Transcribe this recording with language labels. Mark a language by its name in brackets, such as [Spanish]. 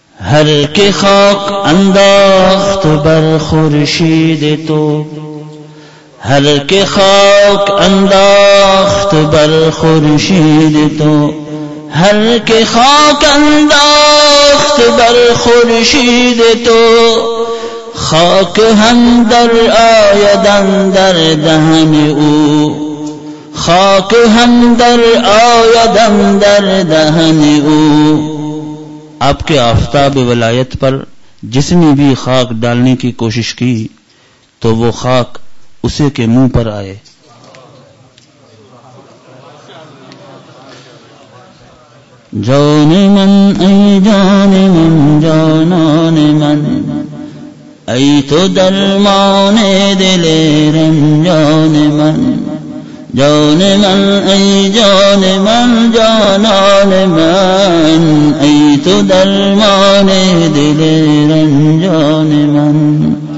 [Persian] ہر کے خاک انداخت بر خورشید تو، ہر کے خاک انداخت بر خورشید تو، ہر کے خاک انداخت بر خورشید تو، خاک ہم در آید اندر دہن او، خاک ہم در آید اندر دہن او. [Urdu] آپ کے آفتاب ولایت پر جس نے بھی خاک ڈالنے کی کوشش کی تو وہ خاک اسے کے منہ پر آئے. [Persian] جان من ای جان من جانان من ای تو درمان دل رنجان من جان من ای جان من جانان من ای تو درمان دل رنجان من